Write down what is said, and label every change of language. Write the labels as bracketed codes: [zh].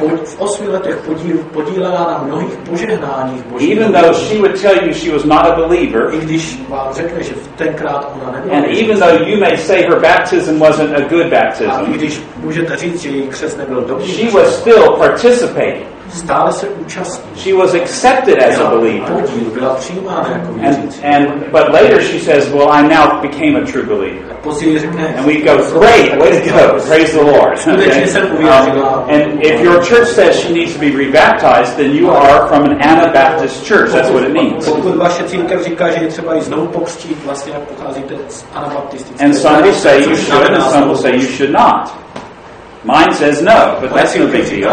[en] Even though she would tell you she was not a believer, and even though you may say her baptism wasn't a good baptism, she was still participating. [cs] Stále se účastní. [en] She was accepted as a believer. [cs] Podíl, byla přijímána jako věřící. [en] But later she says, well, I now became a true believer. [cs] Později řekne, [en] and we go, great, way to go, praise the Lord. And if your church says she needs to be rebaptized, then you are from an Anabaptist church. That's what it means. [cs] Pokud vaše církev říká, že je třeba jí znovu pokřtít, vlastně pocházíte z anabaptistické. [en] And some will say you should, and some will say you should not. Mine says no, but that's no big deal.